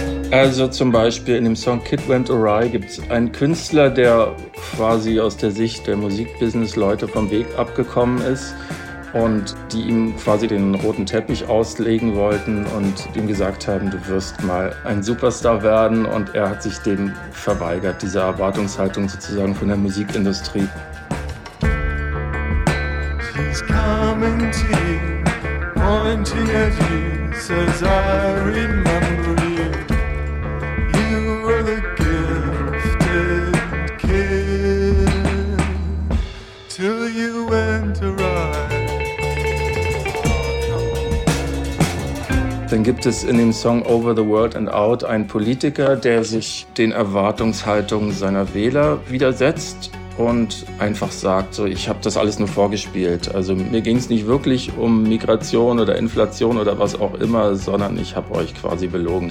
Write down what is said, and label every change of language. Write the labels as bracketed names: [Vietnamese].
[German] Also zum Beispiel in dem Song Kid Went Awry gibt es einen Künstler, der quasi aus der Sicht der Musikbusiness-Leute vom Weg abgekommen ist und die ihm quasi den roten Teppich auslegen wollten und ihm gesagt haben, du wirst mal ein Superstar werden. Und er hat sich dem verweigert, dieser Erwartungshaltung sozusagen von der Musikindustrie. [English] He's coming to you, pointing at you, says I remember you. You were the gifted kid, till you went awry. [German] Dann gibt es in dem Song Over the World and Out einen Politiker, der sich den Erwartungshaltungen seiner Wähler widersetzt und einfach sagt, so, ich habe das alles nur vorgespielt. Also mir ging es nicht wirklich um Migration oder Inflation oder was auch immer, sondern ich habe euch quasi belogen.